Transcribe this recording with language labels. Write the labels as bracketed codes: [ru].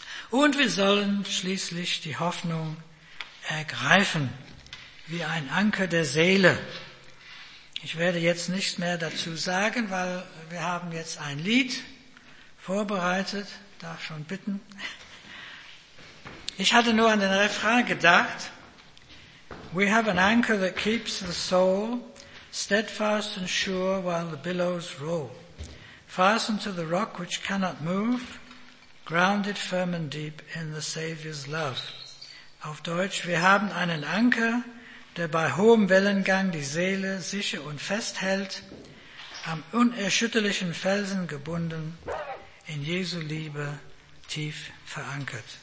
[de] Und wir sollen schließlich die Hoffnung ergreifen, wie ein Anker der Seele. Ich werde jetzt nichts mehr dazu sagen, weil wir haben jetzt ein Lied vorbereitet, darf schon bitten. Ich hatte nur an den Refrain gedacht. [en] We have an anchor that keeps the soul steadfast and sure while the billows roll. Fastened to the rock which cannot move, grounded firm and deep in the Savior's love. [de] Auf Deutsch, wir haben einen Anker, der bei hohem Wellengang die Seele sicher und festhält, am unerschütterlichen Felsen gebunden, in Jesu Liebe tief verankert.